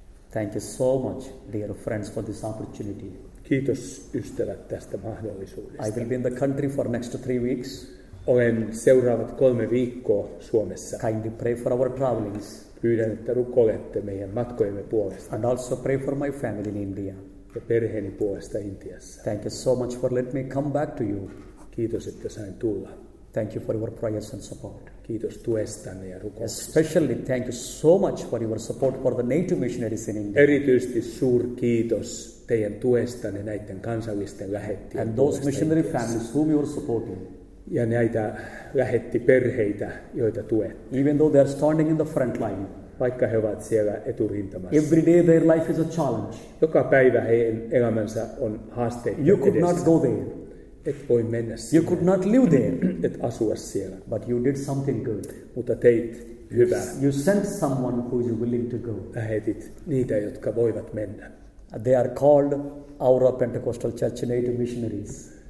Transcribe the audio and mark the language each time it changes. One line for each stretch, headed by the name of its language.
English: Thank you so much, dear friends, for this opportunity.
Finnish: Kiitos, ystävät, tästä mahdollisuudesta.
English: I will be in the country for next 3 weeks.
Finnish: Olen seuraavat 3 viikkoa Suomessa.
English: Kindly pray for our travelings.
Finnish: Pyydän, että rukoilette meidän matkojemme puolesta.
English: And also pray for my family in India.
Finnish: Ja perheeni puolesta Intiassa.
English: Thank you so much for letting me come back to you.
Finnish: Kiitos, että sain tulla.
English: Thank you for your prayers and support.
Finnish: Kiitos tuestanne ja rukouksesta.
English: Especially thank you so much for your support for the native missionaries in India.
Finnish: Erityisesti suur kiitos teidän tuestanne näiden kansallisten lähettien.
English: And those missionary families whom you are supporting.
Finnish: Ja näitä lähetti perheitä, joita tuet.
English: Even though they are standing in the front line.
Finnish: Vaikka he ovat siellä eturintamassa.
English: Every day their life is a challenge.
Finnish: Joka päivä heidän elämänsä on haasteita.
English: You could not go there.
Finnish: Et voi mennä sinne.
English: You could not live there.
Finnish: Et asua siellä.
English: But you did something good.
Finnish: Mutta teit hyvää.
English: You sent someone who is willing to go.
Finnish: Lähetit niitä, jotka voivat mennä.
English: They are called Aura Pentecostal Church Native Missionaries.